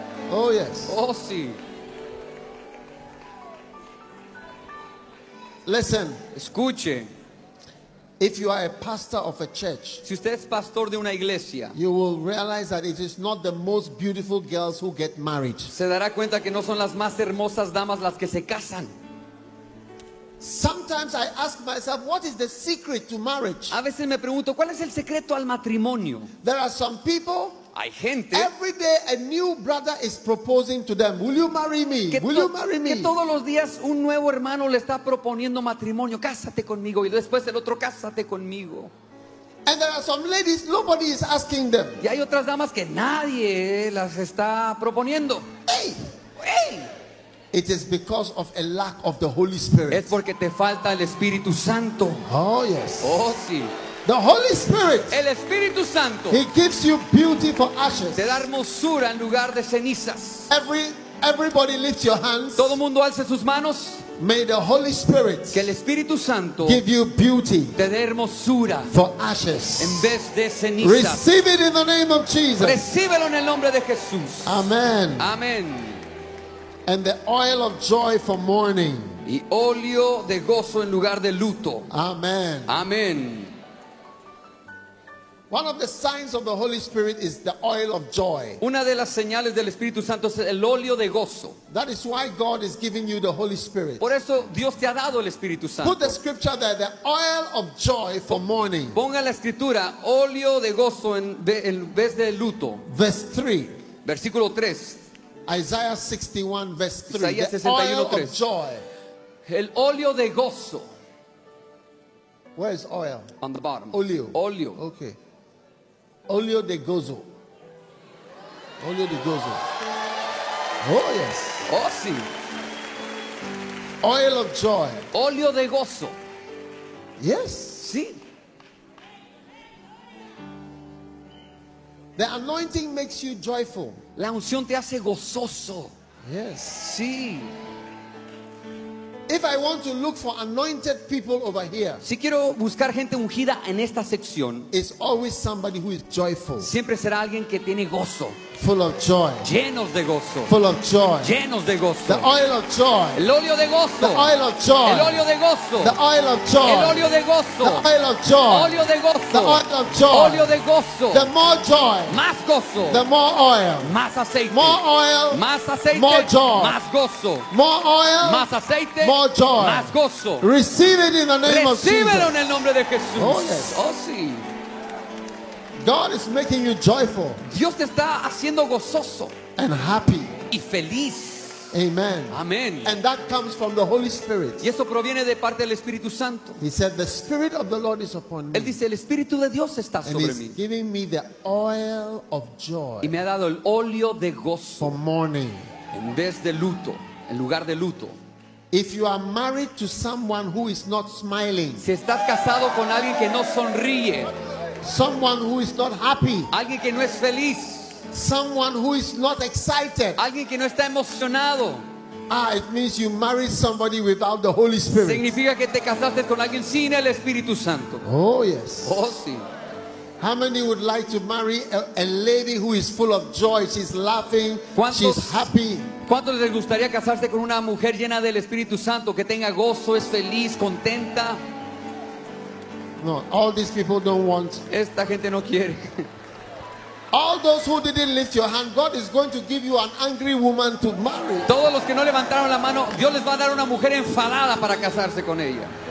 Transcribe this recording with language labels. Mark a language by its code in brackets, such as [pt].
[en] Oh yes. [es] Oh sí. [en] Listen. [es] Escuche. [en] If you are a pastor of a church, [es] si usted es pastor de una iglesia, [en] you will realize that it is not the most beautiful girls who get married. [es] Se dará cuenta que no son las más hermosas damas las que se casan. [en] Sometimes I ask myself, what is the secret to marriage? [es] A veces me pregunto, ¿cuál es el secreto al matrimonio? [en] There are some people. [es] Hay gente. [en] Every day a new brother is proposing to them. Will you marry me? Will you marry me? [es] Que todos los días un nuevo hermano le está proponiendo matrimonio. Cásate conmigo. Y después el otro, cásate conmigo. [en] And there are some ladies, nobody is asking them. [es] Y hay otras damas que nadie las está proponiendo. [en] Hey! [es] Hey! [en] It is because of a lack of the Holy Spirit. [es] Es porque te falta el Espíritu Santo. [en] Oh yes. [es] Oh sí. [en] The Holy Spirit. [es] El Espíritu Santo. [en] He gives you beauty for ashes. [es] Te da hermosura en lugar de cenizas. [en] Everybody lift your hands. [es] Todo mundo alce sus manos. [en] May the Holy Spirit [es] que el Espíritu Santo [en] give you beauty [es] te dé hermosura [en] for ashes [es] en vez de ceniza. [en] Receive it in the name of Jesus. [es] Recíbelo en el nombre de Jesús. [en] Amen. [es] Amen. [en] And the oil of joy for mourning. [es] Y óleo de gozo en lugar de luto. [en] Amen. [es] Amen. [en] One of the signs of the Holy Spirit is the oil of joy. [es] Una de las señales del Espíritu Santo es el óleo de gozo. [en] That is why God is giving you the Holy Spirit. [es] Por eso Dios te ha dado el Espíritu Santo. [en] Put the scripture there, the oil of joy for mourning. [es] Ponga la escritura, óleo de gozo en vez de luto. [en] Verse 3. [es] Versículo 3. [en] Isaiah 61 verse 3. [es] Isaías 61, [en] the oil [es] 3. [en] Of joy. [es] El óleo de gozo. [en] Where is oil? On the bottom. [es] Óleo. Óleo. Okay. Óleo de gozo. Óleo de gozo. [en] Oh yes. [es] Oh sí. [en] Oil of joy. [es] Óleo de gozo. [en] Yes. [es] Sí. [en] The anointing makes you joyful. [es] La unción te hace gozoso. [en] Yes. [es] Sí. [en] If I want to look for anointed people over here, [es] si quiero buscar gente ungida en esta sección, [en] it's always somebody who is joyful. [es] Siempre será alguien que tiene gozo. [en] Full of joy. [es] Llenos de gozo. [en] Full of joy. [es] Llenos de gozo. [en] The oil of joy. [es] El óleo de gozo. [en] The oil of joy. [es] El óleo de gozo. [en] The oil of joy. [es] El óleo de gozo. [en] The oil of joy. [es] Óleo de gozo. [en] The oil of joy. [es] Óleo de gozo. [en] The more joy. [es] Más gozo. [en] The more oil. [es] Más aceite. [en] More oil. [es] Más aceite. [en] More joy. [es] Más gozo. [en] More oil. [es] Más aceite. [en] More joy. [es] Más gozo. [en] Receive it in the name of Jesus. [es] Recíbelo en el nombre de Jesús. [en] Oh yes. [es] Oh sí. [en] God is making you joyful. [es] Dios te está haciendo gozoso. [en] And happy. [es] Y feliz. [en] Amen. [es] Amen. [en] And that comes from the Holy Spirit. [es] Y eso proviene de parte del Espíritu Santo. [en] He said, "The Spirit of the Lord is upon me." [es] Él dice, el Espíritu de Dios está [en] and [es] sobre [en] he's [es] mí. [en] Giving me the oil of joy. [es] Y me ha dado el óleo de gozo. [en] For mourning. [es] En vez de luto, en lugar de luto. [en] If you are married to someone who is not smiling. [es] Si estás casado con alguien que no sonríe. [en] Someone who is not happy. [es] Alguien que no es feliz. [en] Someone who is not excited. [es] Alguien que no está emocionado. [en] It means you married somebody without the Holy Spirit. [es] Significa que te casaste con alguien sin el Espíritu Santo. [en] Oh yes. [es] Oh sí. [en] How many would like to marry a lady who is full of joy? She's laughing. [es] ¿Cuántos, [en] she's happy. [es] ¿Cuántos les gustaría casarse con una mujer llena del Espíritu Santo que tenga gozo, es feliz, contenta? [en] No, all these people don't want. [es] Esta gente no quiere. [en] All those who didn't lift your hand, God is going to give you an angry woman to marry. [es] Todos los que no levantaron la mano, Dios les va a dar una mujer enfadada para casarse con ella.